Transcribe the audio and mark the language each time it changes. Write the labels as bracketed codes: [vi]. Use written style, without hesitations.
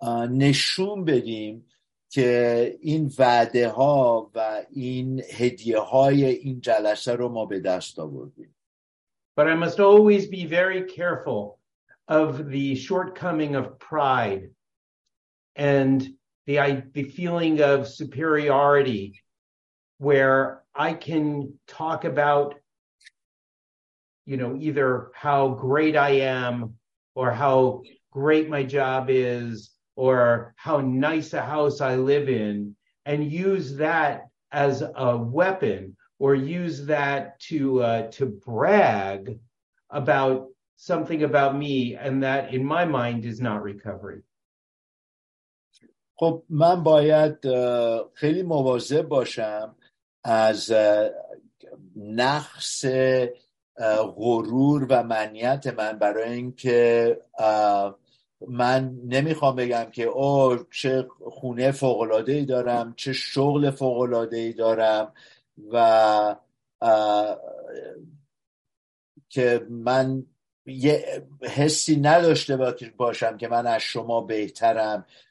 [fa] نشون بدیم که این وعده ها و این هدیه های این جلسه رو ما به دست آوردیم. [en] But I must always be very careful of the shortcoming of pride and the feeling of superiority where I can talk about, you know, either how great I am or how great my job is or how nice a house I live in, and use that as a weapon, or use that to brag about something about me, and that in my mind is not recovery. [fa] خب من باید خیلی مواظب باشم از نقص غرور و منیت من، برای اینکه من نمیخوام بگم که او چه خونه فوق‌العاده‌ای دارم، چه شغل فوق‌العاده‌ای دارم و که من یه حسی نداشته باشم که من از شما بهترم.